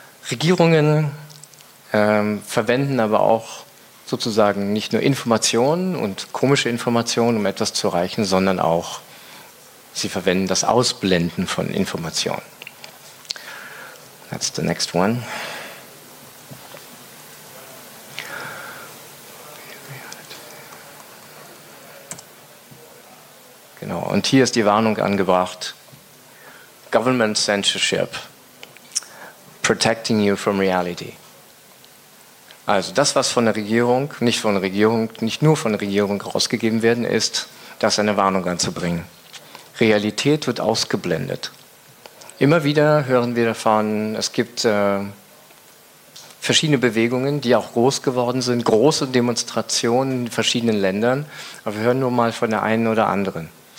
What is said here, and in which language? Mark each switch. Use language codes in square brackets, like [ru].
[de] Regierungen verwenden aber auch sozusagen nicht nur Informationen und komische Informationen, um etwas zu erreichen, sondern auch sie verwenden das Ausblenden von Informationen. [en] That's the next one. [de] Genau, und hier ist die Warnung angebracht. [en] Government censorship, protecting you from reality. [de] Also das, was von der Regierung, nicht nur von der Regierung rausgegeben werden ist, das eine Warnung anzubringen. Realität wird ausgeblendet. Immer wieder hören wir davon, es gibt verschiedene Bewegungen, die auch groß geworden sind, große Demonstrationen in verschiedenen Ländern, aber wir hören nur mal von der einen oder anderen.